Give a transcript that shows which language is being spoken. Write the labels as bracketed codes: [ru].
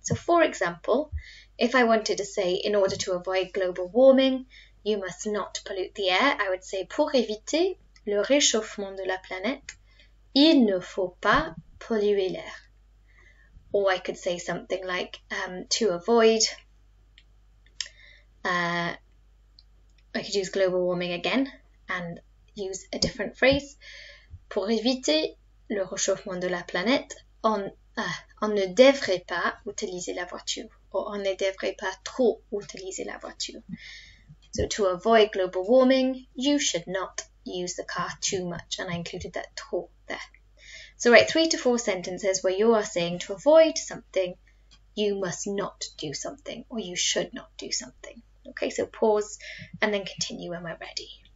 [en] So for example, if I wanted to say, in order to avoid global warming, you must not pollute the air, I would say, [fr] pour éviter le réchauffement de la planète, il ne faut pas polluer l'air. [en] Or I could say something like, to avoid, I could use global warming again and use a different phrase. [fr] Pour éviter le réchauffement de la planète, on ne devrait pas utiliser la voiture. Or on ne devrait pas trop utiliser la voiture. [en] So to avoid global warming, you should not use the car too much. And I included that trop there. So write 3 to 4 sentences where you are saying to avoid something, you must not do something or you should not do something. Okay, so pause and then continue when we're ready.